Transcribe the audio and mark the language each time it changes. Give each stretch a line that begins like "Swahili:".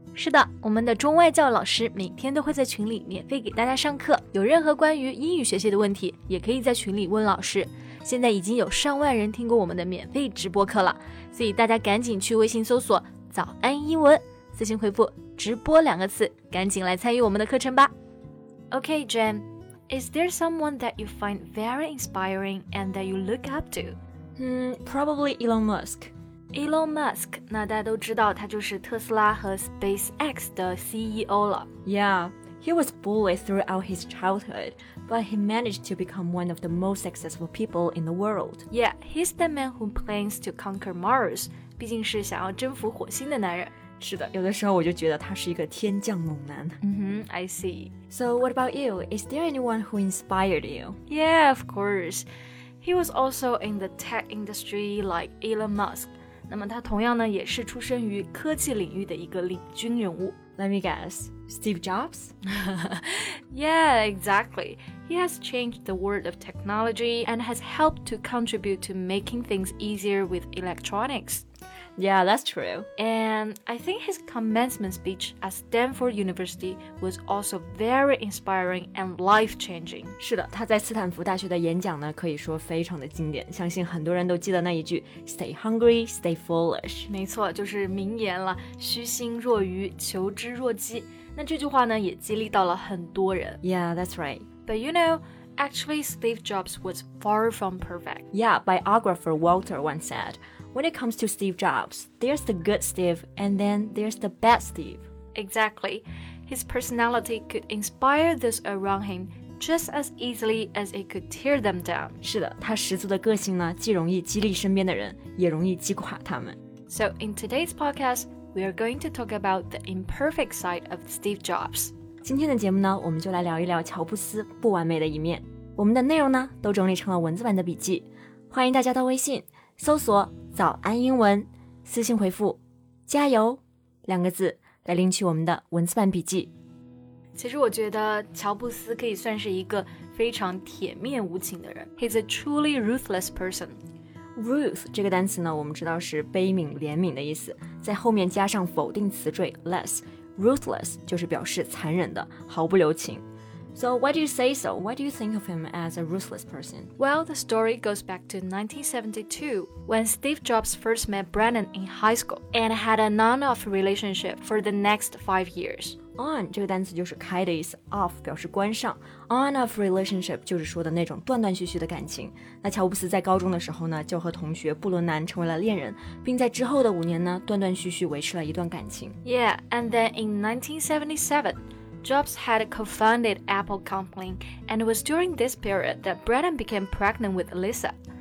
Chinese: 是的，我们的中外教老师每天都会在群里免费给大家上课，有任何关于英语学习的问题也可以在群里问老师。现在已经有上万人听过我们的免费直播课了，所以大家赶紧去微信搜索早安英文，私信回复直播两个字，赶紧来参与我们的课程吧。
English: OK, Jen, is there someone that you find very inspiring and that you look up to? Probably Elon Musk.
Chinese: Elon Musk, 那大家都知道他就是特斯拉和 SpaceX 的 CEO 了。
English: Yeah, he was bullied throughout his childhood, but he managed to become one of the most successful people in the world. Yeah, he's the man who plans to conquer Mars,
Chinese: 毕竟是想要征服火星的男人。是的，有的时候我就觉得他是一个天降猛男。
English: I see. So what about you? Is there anyone who inspired you? Yeah, of course. He was also in the tech industry like Elon Musk.
Chinese: 那么他同样呢也是出生于科技领域的一个领军人物。
English: Let me guess, Steve Jobs? Yeah, exactly. He has changed the world of technology and has helped to contribute to making things easier with electronics. Yeah, that's true. And I think his commencement speech at Stanford University was also very inspiring and life-changing.
Chinese: 是的，他在斯坦福大学的演讲呢，可以说非常的经典。相信很多人都记得那一句
English: "Stay hungry, stay foolish."
Chinese: 没错，就是名言了，虚心若愚，求知若饥。那这句话呢，也激励到了很多人。
English: Yeah, that's right. But you know,Actually, Steve Jobs was far from perfect. Yeah, biographer Walter once said, when it comes to Steve Jobs, there's the good Steve and then there's the bad Steve. Exactly. His personality could inspire those around him just as easily as it could tear them down.
Chinese: 是的，他十足的个性呢，既容易激励身边的人，也容易击垮他们。
English: So in today's podcast, we are going to talk about the imperfect side of Steve Jobs.
Chinese: 今天的节目呢，我们就来聊一聊乔布斯不完美的一面。我们的内容呢，都整理成了文字版的笔记，欢迎大家到微信搜索“早安英文”，私信回复“加油”两个字来领取我们的文字版笔记。其实我觉得乔布斯可以算是一个非常铁面无情的人。
English: He's a truly ruthless person.
Chinese: Ruth 这个单词呢，我们知道是悲悯、怜悯的意思，在后面加上否定词缀 less。 Ruthless 就是表示残忍的，毫不留情。
English: So why do you say so? Why do you think of him as a ruthless person? Well, the story goes back to 1972 when Steve Jobs first met Brennan in high school and had a non-off relationship for the next 5 years.
Chinese: On 这个单词就是开的意思， off 表示关上， on-off relationship 就是说的那种断断续续的感情。那乔布斯在高中的时候呢，就和同学布伦南成为了恋人，并在之后的五年呢，断断续续维持了一段感情。
English: Yeah, and then in 1977, Jobs had co-founded Apple Company, and it was during this period that Brennan became pregnant with Lisa.